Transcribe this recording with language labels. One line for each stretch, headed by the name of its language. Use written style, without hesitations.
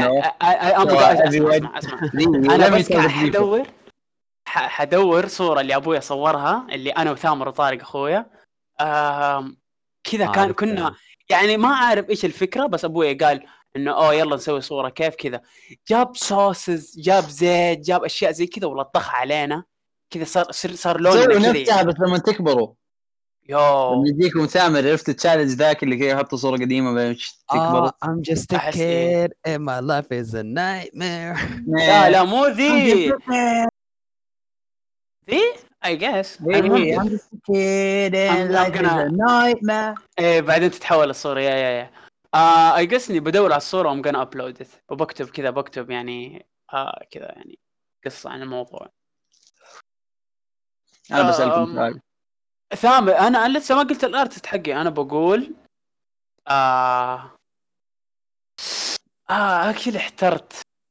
Arabic: أسمع أنا بس حدور صورة اللي أبوي صورها اللي أنا وثامر وطارق أخويا كذا كان كنا يعني ما أعرف إيش الفكرة بس أبوي قال إنه أوه يلا نسوي صورة كيف كذا جاب صوصز جاب زيت جاب أشياء زي كذا ولطخ علينا كذا صار صار لون زي نفسها بس لما تكبروا لما يجيكم ثامر عرفت التشالنج ذاك اللي كي يحطوا صورة قديمة بمش تكبروا
English: I'm just a kid and my life is a nightmare
Arabic: لا لا مو ذي ذي
English: I guess I'm just a kid and life is a nightmare
Arabic: ايه بعدين تتحول الصورة يا يا يا
English: I guess
Arabic: اني بدور على الصورة
English: I'm gonna upload it
Arabic: وبكتب كذا بكتب يعني كذا يعني قصة عن الموضوع أنا بسألكم سؤال ثامر أنا لسه ما قلت الأرتست حقي أنا بقول أكيد احترت